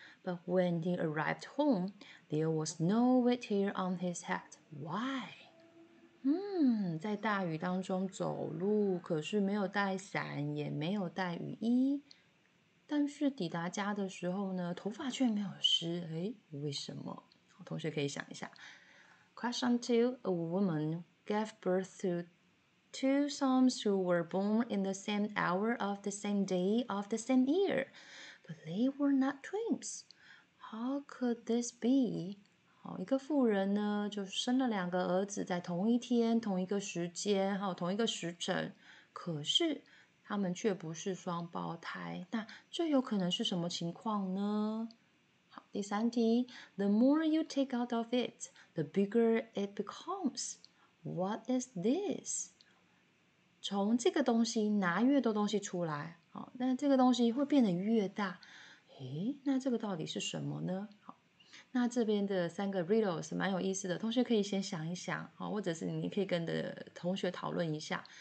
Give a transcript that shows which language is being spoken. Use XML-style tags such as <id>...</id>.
<en>But when he arrived home, there was no wet hair on his head. Why?</en> <zh>在大雨当中走路，可是没有带伞，也没有带雨衣。但是抵达家的时候呢，头发却没有湿。为什么？同学可以想一下。</zh> <en>Question 2 A woman gave birth to two sons who were born in the same hour of the same day of the same year, but they were not twins. How could this be?</en> <zh>好，一个妇人呢就生了两个儿子，在同一天同一个时间同一个时辰，可是他们却不是双胞胎，那这有可能是什么情况呢？好，第三题</zh> <en>The more you take out of it, the bigger it becomes. What is this?</en> <zh>从这个东西拿越多东西出来，好，那这个东西会变得越大。那这个到底是什么呢？好，那这边的三个 riddles 蛮有意思的，同学可以先想一想，好，或者是你可以跟的同学讨论一下。</zh>